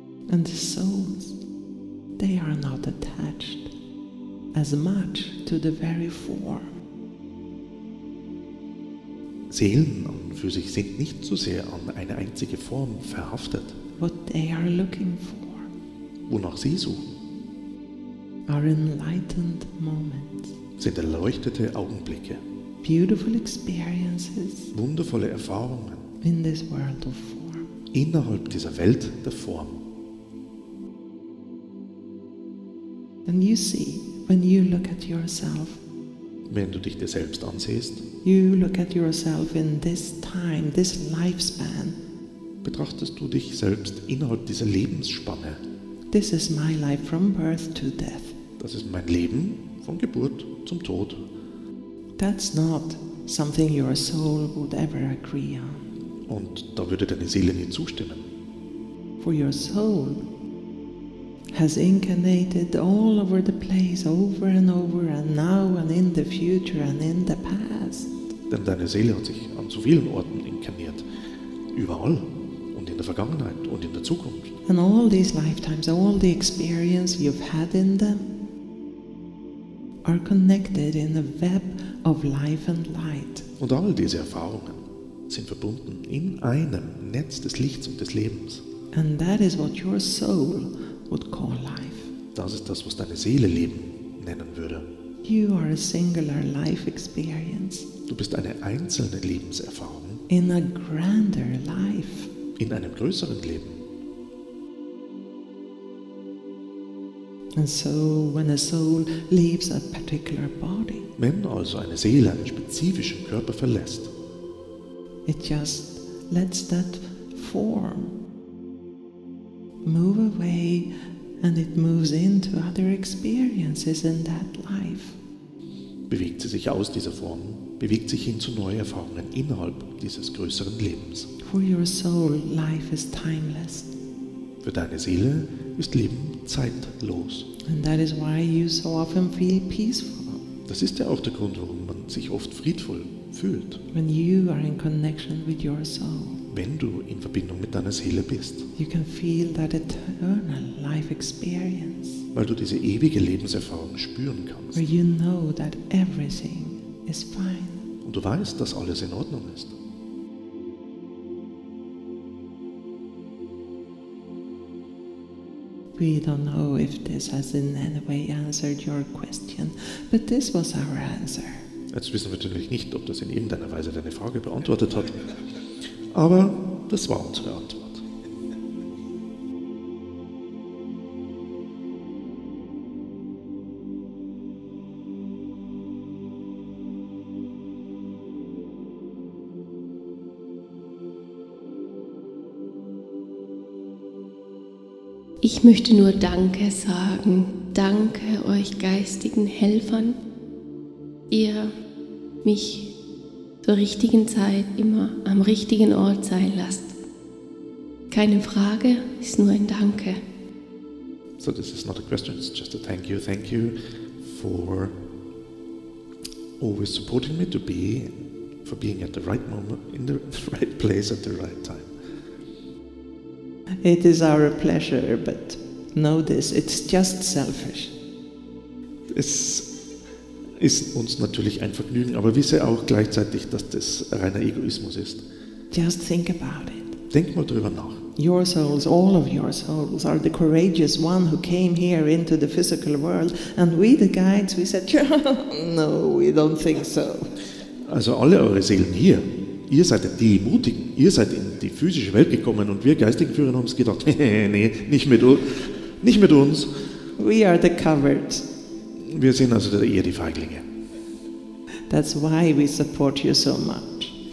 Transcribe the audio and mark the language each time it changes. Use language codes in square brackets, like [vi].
[en] And the souls, they are not attached as much to the very form. [de] Seelen an für sich sind nicht so sehr an eine einzige Form verhaftet. [en] What they are looking for. [de] Wonach sie suchen. [en] Are enlightened moments. [de] Sind erleuchtete Augenblicke. [en] Beautiful experiences. [de] Wundervolle Erfahrungen. [en] In this world of form. [de] Innerhalb dieser Welt der Form. [en] And you see, when you look at yourself. [de] Wenn du dich dir selbst ansiehst. [en] You look at yourself in this time, this lifespan. [de] Betrachtest du dich selbst innerhalb dieser Lebensspanne. [en] This is my life from birth to death. [de] Das ist mein Leben von Geburt zum Tod. [en] That's not something your soul would ever agree on. [de] Und da würde deine Seele nie zustimmen. [en] For your soul has incarnated all over the place, over and over, and now and in the future and in the past. [de] Denn deine Seele hat sich an so vielen Orten inkarniert, überall und in der Vergangenheit und in der Zukunft. [en] And all these lifetimes, all the experience you've had in them, are connected in a web of life and light. [de] Und all diese Erfahrungen sind verbunden in einem Netz des Lichts und des Lebens. [en] And that is what your soul would call life. [de] Das ist das, was deine Seele Leben nennen würde. [en] You are a singular life experience. [de] Du bist eine einzelne Lebenserfahrung. [en] In a grander life. [de] In einem größeren Leben. [en] And so when a soul leaves a particular body. [de] Wenn also eine Seele einen spezifischen Körper verlässt. [en] It just lets that form move away and it moves into other experiences in that life. [de] Bewegt sie sich aus dieser Form, bewegt sich hin zu neuen Erfahrungen innerhalb dieses größeren Lebens. [en] For your soul, life is timeless. [de] Für deine Seele ist Leben zeitlos. [en] And that is why you so often feel peaceful. [de] Das ist ja auch der Grund, warum man sich oft friedvoll fühlt. [en] When you are in connection with your soul. [de] Wenn du in Verbindung mit deiner Seele bist. [en] You can feel that eternal life experience. [de] Weil du diese ewige Lebenserfahrung spüren kannst. [en] Where you know that everything is fine. [de] Und du weißt, dass alles in Ordnung ist. [en] We don't know if this has in any way answered your question, but this was our answer. [de] Jetzt wissen wir natürlich nicht, ob das in irgendeiner Weise deine Frage beantwortet hat. Aber das war unsere Antwort. Ich möchte nur Danke sagen. Danke euch geistigen Helfern. Ihr mich zur richtigen Zeit immer am richtigen Ort sein lasst. Keine Frage, ist nur ein Danke. [en] So this is not a question, it's just a thank you. Thank you for always supporting me to be, for being at the right moment, in the right place at the right time. It is our pleasure, but know this, it's just selfish. [de] It's ist uns natürlich ein Vergnügen, aber wisse auch gleichzeitig, dass das reiner Egoismus ist. [en] Just think about it. [de] Denk mal drüber nach. [en] Your souls, all of your souls, are the courageous one who came here into the physical world, and we, the guides, we said, no, we don't think so. [de] Also alle eure Seelen hier, ihr seid die Mutigen, ihr seid in die physische Welt gekommen, und wir geistigen Führer haben es gedacht, nee, nicht mit uns. [en] We are the cowards. [de] Wir sind also eher die Feiglinge. [en] That's why we support you so much.